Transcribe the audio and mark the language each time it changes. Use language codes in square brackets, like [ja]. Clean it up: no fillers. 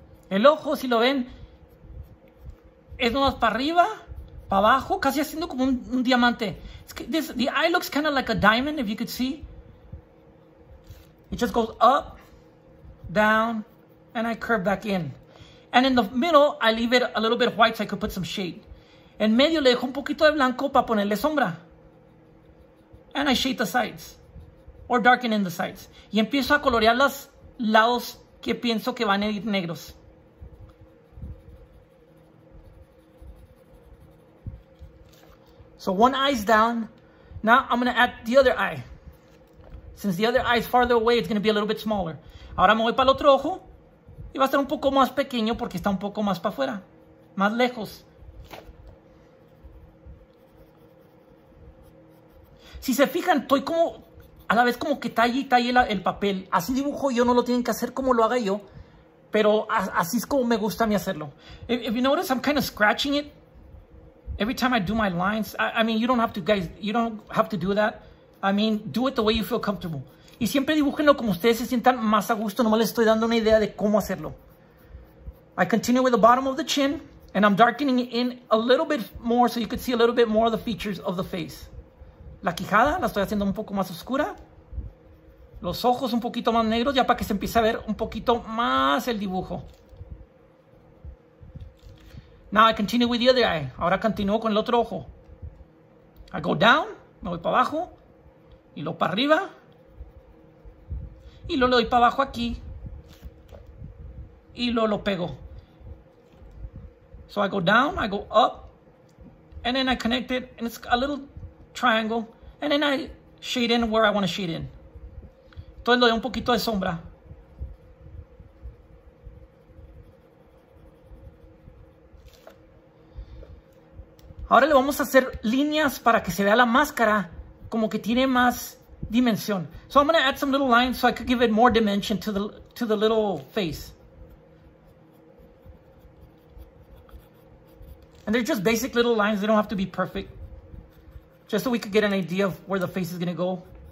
[es] El ojo, si lo ven, es más para arriba, para abajo, casi haciendo como un diamante. [en] The eye looks kind of like a diamond, if you could see. It just goes up, down, and I curve back in. And in the middle, I leave it a little bit white so I could put some shade. [es] En medio le dejo un poquito de blanco para ponerle sombra. [en] And I shade the sides, or darken in the sides. [es] Y empiezo a colorear los lados que pienso que van a ir negros. [en] So one eye is down. Now I'm going to add the other eye. Since the other eye is farther away, it's going to be a little bit smaller. [es] Ahora me voy para el otro ojo. Y va a estar un poco más pequeño porque está un poco más para afuera. Más lejos. Si se fijan, estoy como a la vez como que talle y talle el papel. Así dibujo yo, no lo tienen que hacer como lo haga yo. Pero así es como me gusta a mí hacerlo. [en] If you notice, I'm kind of scratching it. Every time I do my lines, I mean, you don't have to do that. I mean, do it the way you feel comfortable. [es] Y siempre dibújenlo como ustedes se sientan más a gusto. Nomás les estoy dando una idea de cómo hacerlo. [en] I continue with the bottom of the chin, and I'm darkening it in a little bit more so you could see a little bit more of the features of the face. [es] La quijada la estoy haciendo un poco más oscura. Los ojos un poquito más negros, ya para que se empiece a ver un poquito más el dibujo. [en] Now I continue with the other eye. [es] Ahora continúo con el otro ojo. [en] I go down, [es] me voy para abajo, y luego para arriba, y luego le doy para abajo aquí, y luego lo pego. [en] So I go down, I go up, and then I connect it, and it's a little triangle, and then I shade in where I want to shade in. [es] Entonces le doy un poquito de sombra. Ahora le vamos a hacer líneas para que se vea la máscara como que tiene más dimensión. [en] So I'm going to add some little lines so I could give it more dimension to the little face. And they're just basic little lines. They don't have to be perfect. Just so we could get an idea of where the face is going to go.